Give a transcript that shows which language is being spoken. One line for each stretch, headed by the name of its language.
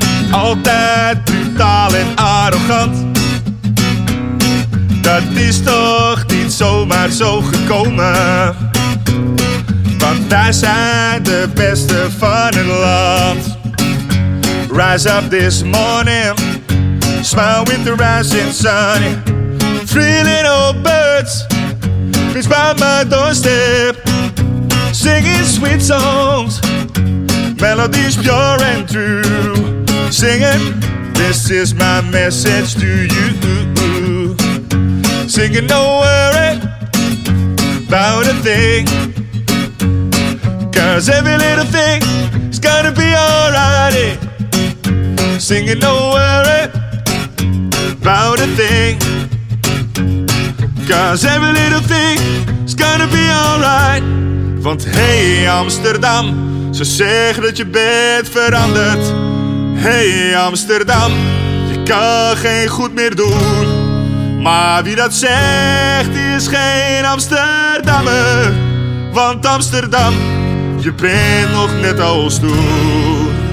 Dutch: Altijd brutaal en arrogant. Dat is toch niet zomaar zo gekomen. Want wij zijn de beste van het land.
English: Rise up this morning, smile with the rising sun. Three little birds, reach by my doorstep. Singing sweet songs, melodies pure and true. Singing, this is my message to you. Singing, don't worry about a thing. Cause every little thing is gonna be alrighty. Singing, don't worry about a thing. Cause every little thing is gonna be alright.
Dutch: Want hey Amsterdam, ze zeggen dat je bent veranderd. Hey Amsterdam, je kan geen goed meer doen. Maar wie dat zegt, die is geen Amsterdammer. Want Amsterdam, je bent nog net als toen.